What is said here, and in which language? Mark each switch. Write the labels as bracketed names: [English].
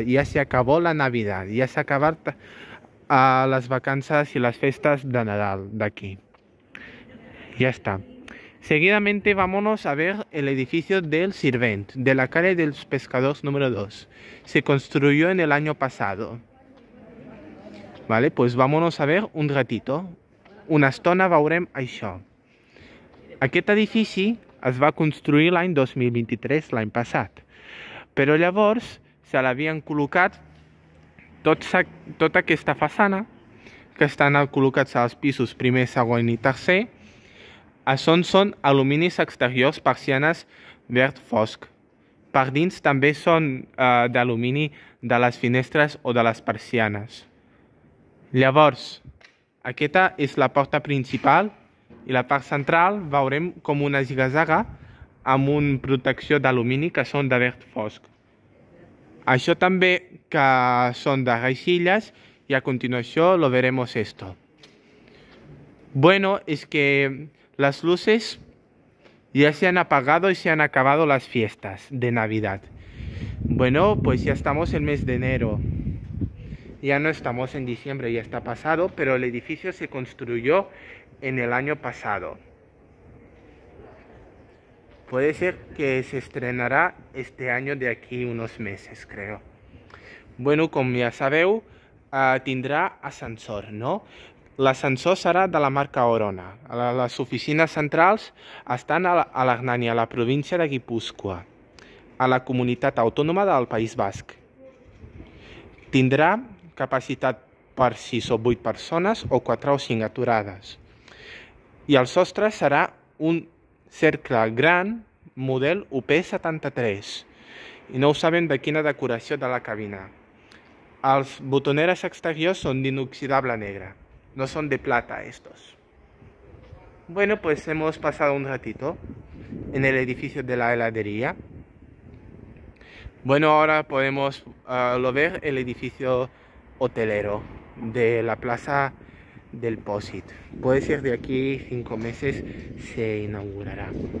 [Spanish] Ya se acabó la Navidad. Ya se acabaron las vacaciones y las fiestas de Nadal de aquí. Ya está. Seguidamente vámonos a ver el edificio del Sirvent, de la calle de los Pescadores número 2. Se construyó en el año pasado. Vale, pues vámonos a ver un ratito. [Catalan] Una estona veurem això. Aquest edifici es va construir l'any 2023, l'any passat. Però llavors se l'havien col·locat tota aquesta façana, que estan col·locats als pisos primer, segon i tercer. Això són aluminis exteriors, persianes verd fosc. Per dins també són d'alumini de les finestres o de les persianes. Llavors, aquesta és la porta principal i la part central veurem com una zigzaga amb una protecció d'alumini que són de verd fosc. Això també que són de reixilles i a continuació [Spanish] lo veremos esto. Bueno, es que las luces ya se han apagado y se han acabado las fiestas de Navidad. Bueno, pues ya estamos en mes de enero. Ya no estamos en diciembre, ya está pasado, pero el edificio se construyó en el año pasado. Puede ser que se estrenará este año de aquí unos meses, creo. [Catalan] Bueno, [Spanish] como ya [Catalan] sabeu, tindrà ascensor, ¿no? L'ascensor serà de la marca Orona. Les oficines centrals estan a Hernani, a la província de Guipúscoa, a la comunitat autònoma del País Basc. Tindrà capacitat per 6 o 8 persones o 4 o 5 aturades. I el sostre serà un cercle gran model UP73. I no ho sabem de quina decoració de la cabina. Els botoneres exteriors són d'inoxidable negre. [Spanish] No son de plata estos. Bueno, pues hemos pasado un ratito en el edificio de la heladería. Bueno, ahora podemos lo ver el edificio hotelero de la Plaza del Possit. Puede ser de aquí 5 meses se inaugurará.